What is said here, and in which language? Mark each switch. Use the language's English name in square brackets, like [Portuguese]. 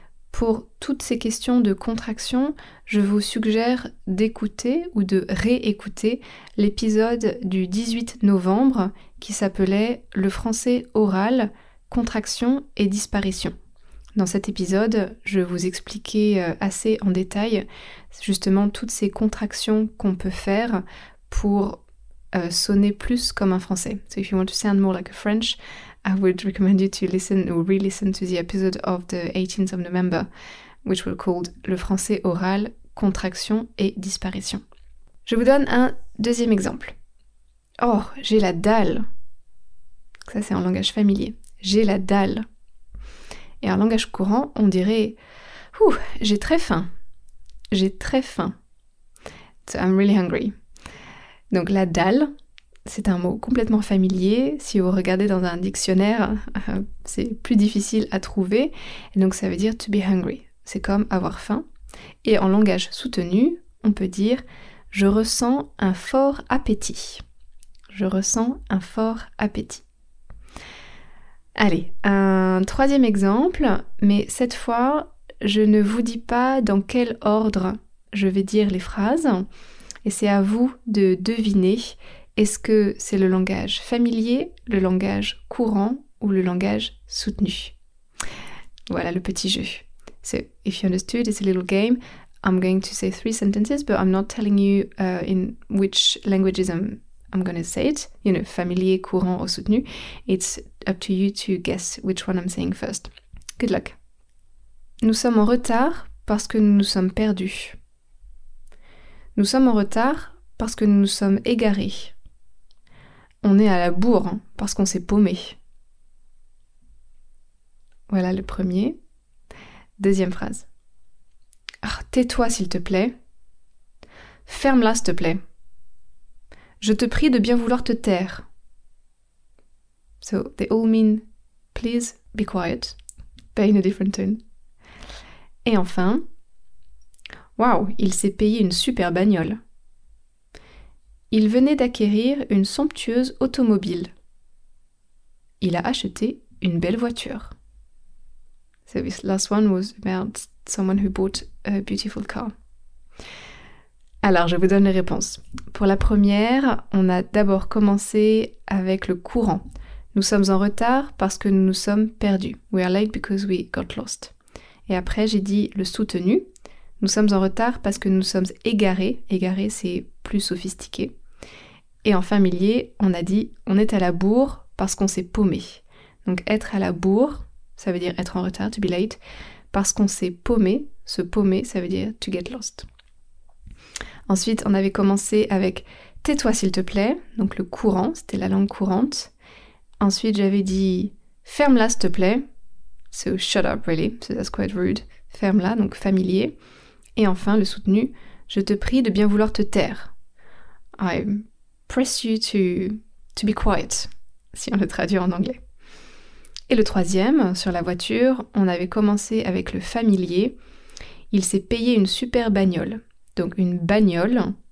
[French] Pour toutes ces questions de contraction, je vous suggère d'écouter ou de réécouter l'épisode du 18 novembre qui s'appelait « Le français oral, contraction et disparition ». Dans cet épisode, je vous expliquais assez en détail justement toutes ces contractions qu'on peut faire pour sonner plus comme un français. [English] So if you want to sound more like a French, I would recommend you to listen or re-listen to the episode of the 18th of November, which was called Le français oral, contraction et disparition. [French] Je vous donne un deuxième exemple. Oh, j'ai la dalle. Ça, c'est en langage familier. J'ai la dalle. Et en langage courant, on dirait ouh, j'ai très faim. J'ai très faim. [English] So I'm really hungry. [French] Donc la dalle, c'est un mot complètement familier. Si vous regardez dans un dictionnaire, c'est plus difficile à trouver. Et donc ça veut dire [English] to be hungry. [French] C'est comme avoir faim. Et en langage soutenu, on peut dire je ressens un fort appétit. Je ressens un fort appétit. Allez, un troisième exemple, mais cette fois, je ne vous dis pas dans quel ordre je vais dire les phrases. Et c'est à vous de deviner, est-ce que c'est le langage familier, le langage courant ou le langage soutenu? Voilà le petit jeu. [English] So, if you understood, it's a little game. I'm going to say three sentences, but I'm not telling you in which languages I'm going to say it. You know, [French] familier, courant ou soutenu. [English] It's up to you to guess which one I'm saying first. Good luck. [French] Nous sommes en retard parce que nous nous sommes perdus. Nous sommes en retard parce que nous nous sommes égarés. On est à la bourre parce qu'on s'est paumé. Voilà le premier. Deuxième phrase. Oh, tais-toi s'il te plaît. Ferme-la s'il te plaît. Je te prie de bien vouloir te taire. [English] So they all mean please be quiet, but in a different tone. [French] Et enfin... Waouh, il s'est payé une super bagnole. Il venait d'acquérir une somptueuse automobile. Il a acheté une belle voiture. [English] So this last one was about someone who bought a beautiful car. [French] Alors, je vous donne les réponses. Pour la première, on a d'abord commencé avec le courant. Nous sommes en retard parce que nous nous sommes perdus. [English] We are late because we got lost. [French] Et après, j'ai dit le soutenu. Nous sommes en retard parce que nous sommes égarés. Égarés, c'est plus sophistiqué. Et en familier, on a dit « on est à la bourre parce qu'on s'est paumé ». Donc « être à la bourre », ça veut dire « être en retard »,« [English] to be late [French] », parce qu'on s'est paumé. Se paumer, ça veut dire « [English] to get lost ». [French] Ensuite, on avait commencé avec « tais-toi s'il te plaît », donc le courant, c'était la langue courante. Ensuite, j'avais dit « ferme-la s'il te plaît ». [English] So shut up really, so that's quite rude. [French] Ferme-la, donc familier. Et enfin, le soutenu, je te prie de bien vouloir te taire. [English] I press you to be quiet, [French] si on le traduit en anglais. Et le troisième, sur la voiture, on avait commencé avec le familier. Il s'est payé une super bagnole. Donc une bagnole,